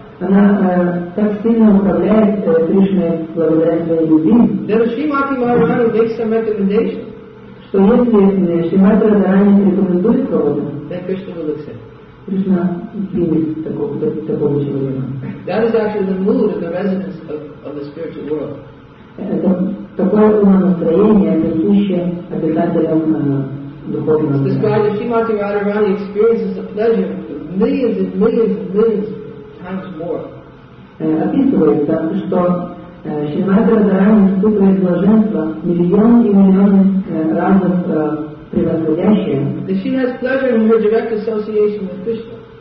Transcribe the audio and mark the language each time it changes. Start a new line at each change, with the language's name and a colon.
Russian: Она так сильно управляет Кришной благодаря своей любви,
English: that Shrimati Maharani makes a recommendation,
Russian: что если Шримати Радхарани рекомендует кого-то,
English: then Krishna will accept.
Russian: Кришна примет такого человека.
English: That is actually the mood of the residents of the spiritual world.
Russian: Это такое умонастроение, присущее обитателям духовного мира.
English: It's described that Shrimati Radharani experiences the pleasure of millions and millions and millions times more.
Russian: Описывается, что Шримати Радхарани испытывает блаженство миллион и миллион раз превосходящее.
English: That she has pleasure in her direct association with Krishna.